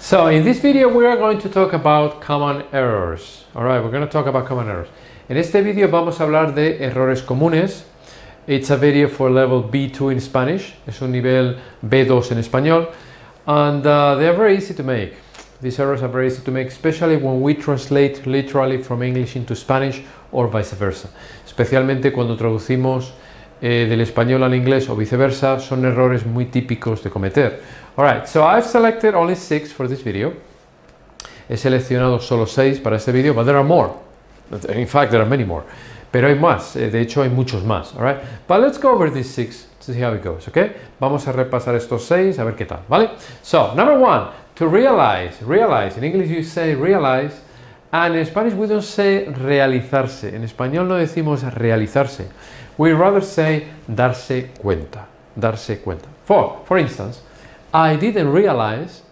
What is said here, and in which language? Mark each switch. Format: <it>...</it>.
<en>So, in this video, we are going to talk about common errors. All right. We're going to talk about common errors.</en> <es>En este video vamos a hablar de errores comunes.</es> <en>It's a video for level B2 in Spanish.</en> <es>Es un nivel B2 en español.</es> <en>And they are very easy to make. These errors are very easy to make, especially when we translate literally from English into Spanish or vice versa.</en> <es>Especialmente cuando traducimos del español al inglés o viceversa, son errores muy típicos de cometer.</es> <en>Alright, so I've selected only 6 for this video.</en> <es>He seleccionado solo 6 para este video,</es> <en>but there are more. In fact, there are many more.</en> <es>Pero hay más, de hecho hay muchos más.</es> <en>Alright, but let's go over these 6 to see how it goes, okay?</en> <es>Vamos a repasar estos 6 a ver qué tal, ¿vale?</es> <en>So, number 1. To realize, realize. In English you say realize, and in Spanish we don't say realizarse.</en> <es>En español no decimos realizarse.</es> <en>We rather say</en> <es>darse cuenta, darse cuenta.</es> <en>For instance, I didn't realize.</en>